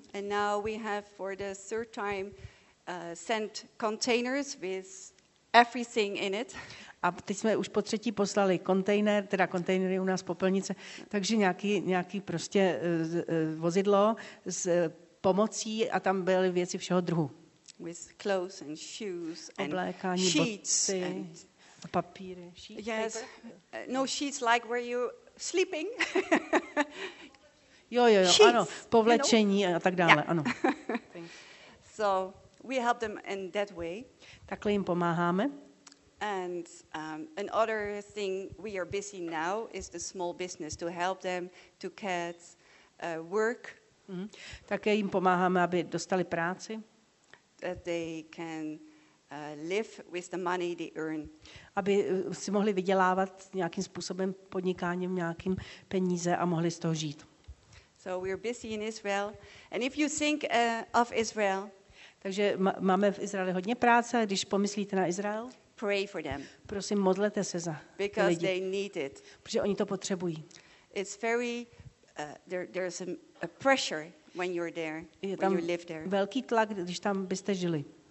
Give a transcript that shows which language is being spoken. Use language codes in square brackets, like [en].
[en] And now we have for the third time sent containers with everything in it. [cs] A teď jsme už po třetí poslali kontejner, teda kontejnery u nás popelnice, takže nějaký prostě vozidlo s pomocí a tam byly věci všeho druhu. [en] With clothes and shoes and [cs] oblékání, [en] sheets [cs] boty, [en] and [cs] a papíry. [en] Sheet yes. Paper? No sheets like where you sleeping. [cs] Jo, sheets, ano, povlečení, [en] you know? [cs] A tak dále, yeah. Ano. [en] So we help them in that way. [cs] Takhle jim pomáháme. [en] And another thing we are busy now is the small business to help them to get work. Mm-hmm. [cs] Také jim pomáháme, aby dostali práci. [en] That they can live with the money they earn. [cs] Aby si mohli vydělávat nějakým způsobem podnikáním nějakým peníze a mohli z toho žít. [en] So we are busy in Israel. And if you think of Israel. [cs] Takže máme v Izraeli hodně práce, když pomyslíte na Izrael. [en] Pray for them. [cs] Prosím, modlete se za [en] because [cs] lidi. [en] They need it. [cs] Protože oni to potřebují. [en] It's very there's a pressure when you're there, [cs] je tam [en] when you live there. [cs] Velký tlak, když tam byste žili.